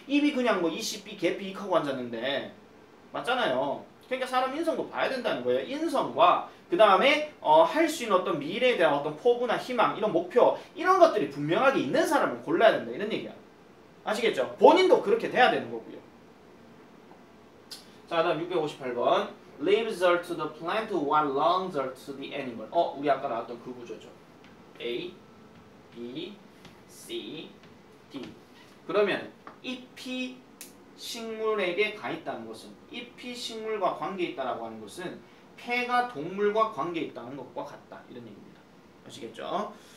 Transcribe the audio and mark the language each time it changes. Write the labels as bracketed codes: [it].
[ko] 입이 그냥 뭐 이씨삐 개삐익하고 앉았는데. 맞잖아요. 그러니까 사람 인성도 봐야 된다는 거예요. 인성과 그 다음에 할 수 있는 어떤 미래에 대한 어떤 포부나 희망, 이런 목표, 이런 것들이 분명하게 있는 사람을 골라야 된다, 이런 얘기야. 아시겠죠? 본인도 그렇게 돼야 되는 거고요. 자, 다음 658번. [en] Leaves are to the plant while lungs are to the animal. [ko] 우리 아까 나왔던 그 구조죠. [en] A, B, C, D. [ko] 그러면 잎이 식물에게 가 있다는 것은, 잎이 식물과 관계 있다라고 하는 것은 폐가 동물과 관계 있다는 것과 같다, 이런 얘기입니다. 아시겠죠?